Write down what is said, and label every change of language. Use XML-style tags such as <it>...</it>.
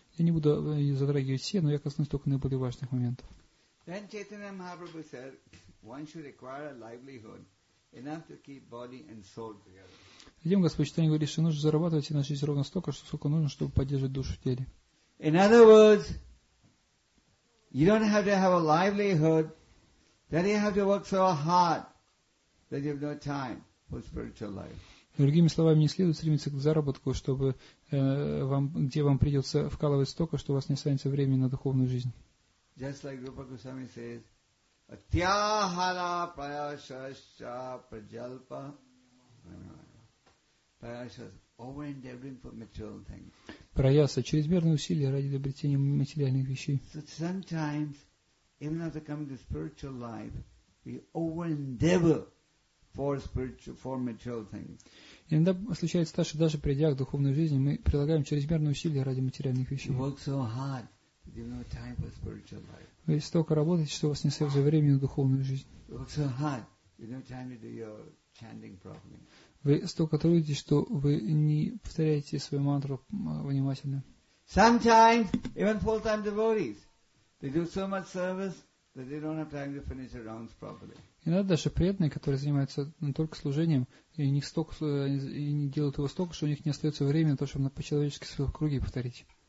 <ru>Я не буду затрагивать все, но я коснусь только наиболее важных моментов.</ru> <en>Then Chaitanya Mahaprabhu said, one should acquire a livelihood enough to keep body and soul together.</en> <ru>Затем Господь Читания говорит, что нужно зарабатывать и начать ровно столько, сколько нужно, чтобы поддерживать душу в теле.</ru> <en>In other words, you don't have to have a livelihood, then you have to work so hard that you have no time for spiritual life.</en> <ru>Другими словами, не следует стремиться к заработку, чтобы где вам придется вкалывать столько, что у вас не останется времени на духовную жизнь.</ru> <en>Just like Rupa Goswami says,</en> <sa>atyahara prayashascha prajalpa.</sa> <en>Prayashas, over endeavoring for material things.</en> <ru>Prayasa, чрезмерные усилия ради обретения материальных вещей.</ru> <en>So sometimes, even after coming to spiritual life, we over endeavor for spiritual, for material things.</en> <ru>Иногда случается так, что даже придя к духовной жизни, мы прилагаем чрезмерные усилия ради материальных вещей.</ru> <en>You work so hard, you have no time for spiritual life.</en> <ru>Вы столько работаете, что у вас не остается времени на духовную жизнь.</ru> <en>You work so hard, you have no time to do your chanting properly.</en> <ru>Вы столько трудитесь, что вы не повторяете свою мантру внимательно.</ru> <en>Sometimes even full-time devotees, they do so much service that they don't have time to finish their rounds properly.</en> <ru>Иногда даже преданные, которые занимаются только служением, и не делают его столько, что у них не остается времени на то, чтобы по-человечески в своем круге повторить.</ru>